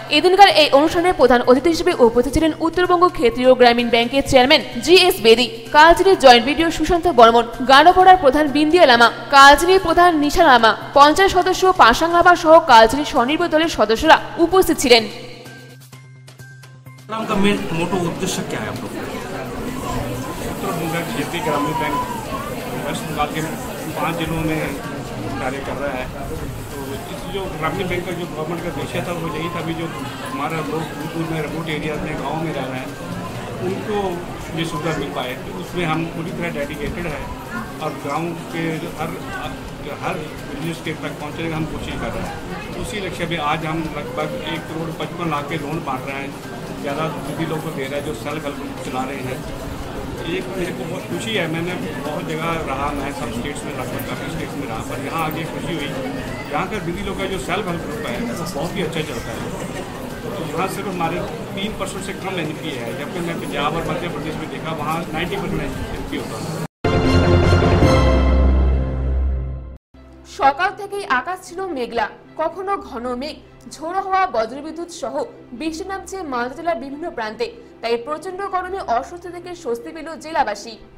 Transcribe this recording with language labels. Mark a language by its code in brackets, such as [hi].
[bn] এদিনকার এই অনুষ্ঠানে প্রধান অতিথি হিসেবে উপস্থিত ছিলেন উত্তরবঙ্গ ক্ষেত্রীয় গ্রামীণ ব্যাংকের চেয়ারম্যান জি এস বেদী, কালচিনি জয়েন্ট বিডিও সুশান্ত বর্মন, গানপড়ার প্রধান বিন্দিয়া লামা, কালচিনি প্রধান নিশা লামা, 50 সদস্য পাশাং লামা সহ কালচিনি স্বনির্ভর দলের সদস্যরা উপস্থিত। [hi] क्षेत्रीय ग्रामीण बैंक वेस्ट बंगाल के 5 जिलों में कार्य कर रहा है। तो इस जो ग्रामीण बैंक का जो गवर्नमेंट का उद्देश्य था वो यही था भी जो हमारा लोग दूर दूर में रिमोट एरियाज में गांव में रह रहे हैं उनको ये सुविधा मिल पाए। तो उसमें हम पूरी तरह डेडिकेटेड है और गाँव के हर बिजनेस के तक पहुँचने का हम कोशिश कर रहे हैं। उसी लक्ष्य में आज हम लगभग 1,55,00,000 के लोन बांट रहे हैं, ज़्यादा सभी लोगों को दे रहे हैं जो सेल्फ हेल्प चला रहे हैं। एक मेरे को बहुत खुशी है, मैंने बहुत जगह रहा, मैं सब स्टेट्स में लगभग काफ़ी स्टेट्स में रहा, पर यहाँ आगे खुशी हुई। यहाँ का सभी लोगों का जो सेल्फ हेल्प ग्रुप है बहुत ही अच्छा चलता है। तो यहाँ सिर्फ हमारे 3% से कम एनपीए है, जबकि मैं पंजाब और मध्य प्रदेश में देखा वहाँ 90% एनपीए होता है। [bn] সকাল থেকেই আকাশ ছিল মেঘলা, কখনো ঘন মেঘ, ঝোড়ো হওয়া, বজ্রবিদ্যুৎ সহ বৃষ্টি নামছে মালদা জেলার বিভিন্ন প্রান্তে। তাই প্রচণ্ড গরমে অস্বস্তি থেকে স্বস্তি পেল জেলাবাসী।